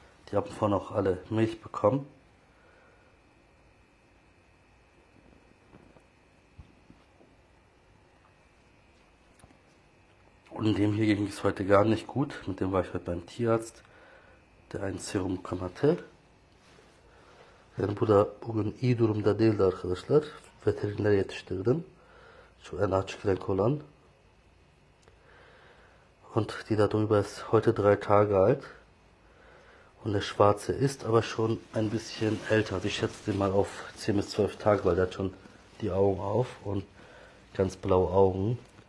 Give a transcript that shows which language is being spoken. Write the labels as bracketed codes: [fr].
[de] Die haben vorhin auch alle Milch bekommen. Und dem hier ging es heute gar nicht gut. Mit dem war ich heute beim Tierarzt, der ein Serum bekommen hatte. [tr] Yani bu da bugün iyi durumda değildi arkadaşlar. Veterinere yetiştirdim. Şu en açık renk olan. [de] Und die da drüber ist heute 3 Tage alt. Und der Schwarze ist aber schon ein bisschen älter. Also ich schätze den mal auf 10 bis 12 Tage, weil der hat schon die Augen auf und ganz blaue Augen.